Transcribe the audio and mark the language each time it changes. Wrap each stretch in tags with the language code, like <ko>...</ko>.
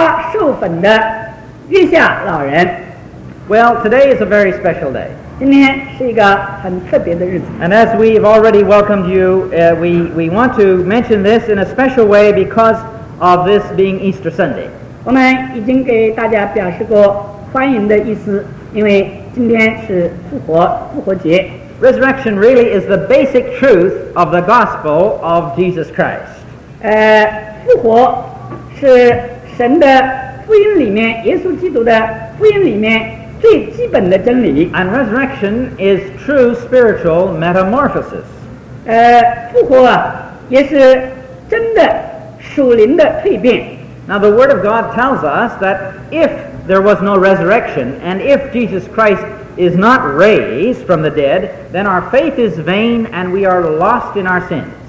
<zh>他们在盛开的百花当中翱翔，以至于就成了插花授粉的月下老人。</zh> <en>Well, today is a very special day.</en> <zh>今天是一个很特别的日子。</zh> <en>And as we have already welcomed you, we want to mention this in a special way because of this being Easter Sunday.</en> <zh>我们已经给大家表示过欢迎的意思，因为今天是复活节。</zh> <en>Resurrection really is the basic truth of the gospel of Jesus Christ.</en> <zh>复活是神的福音里面，耶稣基督的福音里面最基本的真理。</zh> <en>And resurrection is true spiritual metamorphosis.</en> <zh>复活也是真的属灵的蜕变。</zh> <en>Now the Word of God tells us that if there was no resurrection, and if Jesus Christ is not raised from the dead, then our faith is vain and we are lost in our sins.</en>